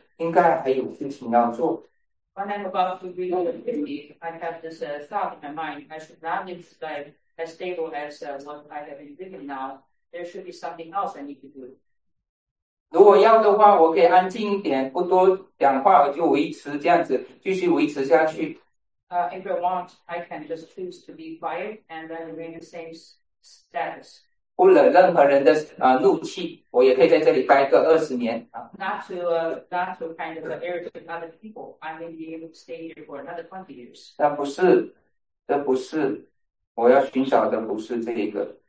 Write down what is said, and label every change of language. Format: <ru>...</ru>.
<zh>因为当我快50岁的时候，我就在想说，我不能这样子一直在这样子一直做下去，好像很稳定。可是应该还有事情要做。</zh> <en>When I'm about to be 50, I have this thought in my mind. I should not be as stable as what I have been living now. There should be something else I need to do.</en> <zh>如果要的话，我可以安静一点，不多讲话，我就维持这样子，继续维持下去。</zh> <en>If you want, I can just choose to be quiet and then remain the same status.</en> <zh>不惹任何人的怒气，我也可以在这里待个20年。</zh> <en>Not to kind of irritate other people. I may be able to stay here for another 20 years.</en> <zh>但不是，这不是我要寻找的，不是这个。</zh>